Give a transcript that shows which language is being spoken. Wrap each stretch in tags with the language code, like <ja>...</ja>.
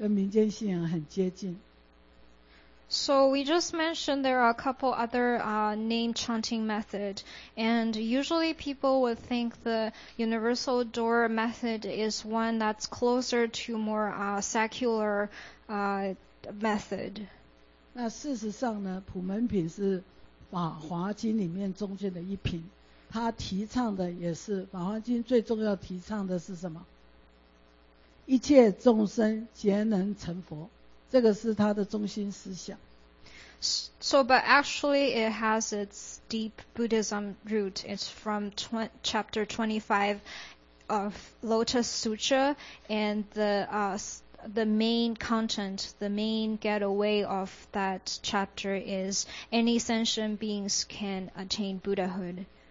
<zh>那所以很多人都会觉得普门品呢，好像蛮民间信仰的哈，跟民间信仰很接近。So</zh> <en>we just mentioned there are a couple other name chanting method, and usually people would think the universal door method is one that's closer to more secular method.</en> <zh>那事实上呢，普门品是《法华经》里面中间的一品。他提倡的也是《法华经》最重要提倡的是什么？一切众生皆能成佛，这个是他的中心思想。So,</zh> <en>but actually, it has its deep Buddhism root. It's from chapter 25 of Lotus Sutra, and the main content, the main getaway of that chapter is any sentient beings can attain Buddhahood.</en>